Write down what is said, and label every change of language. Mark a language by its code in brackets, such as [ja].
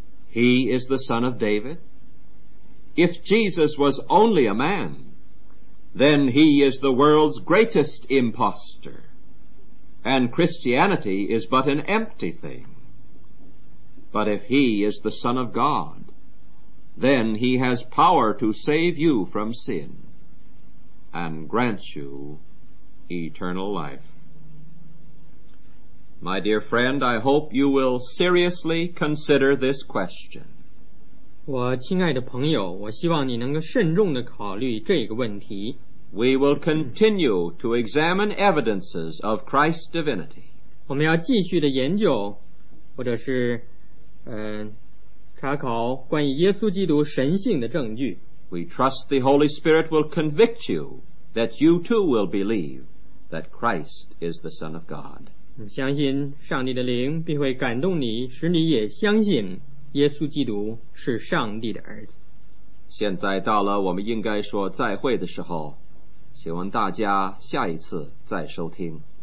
[en] "He is the Son of David"? If Jesus was only a man, then he is the world's greatest impostor, and Christianity is but an empty thing. But if he is the Son of God, then he has power to save you from sin and grant you eternal life. My dear friend, I hope you will seriously consider this question. [zh] 我亲爱的朋友，我希望你能够慎重地考虑这个问题。 [en] We will continue to examine evidences of Christ's divinity. [zh] 我们要继续地研究，或者是，查考关于耶稣基督神性的证据。 [en] We trust the Holy Spirit will convict you that you too will believe that Christ is the Son of God. [zh] 相信上帝的灵必会感动你，使你也相信耶稣基督是上帝的儿子。现在到了我们应该说再会的时候，希望大家下一次再收听。